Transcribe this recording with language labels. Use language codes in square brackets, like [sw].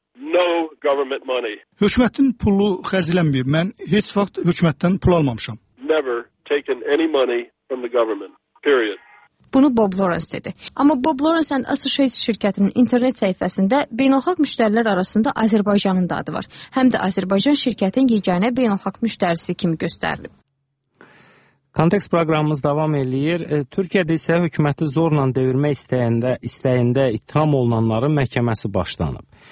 [az] Hökumətin pulu xərcləməyib. Mən heç vaxt hökumətdən pul almamışam. [en] Never taken any money from the government. Period. [az] Bunu Bob Lawrence dedi. Amma Bob Lawrence and Associates şirkətinin internet səhifəsində beynəlxalq müştərilər arasında Azərbaycanın da adı var. Həm də Azərbaycan şirkətinin yeganə beynəlxalq müştərisi kimi göstərilib. Kontekst proqramımız davam eləyir. Türkiyədə isə hökuməti zorla devirmək istəyində ittiham olunanların məhkəməsi başlanıb.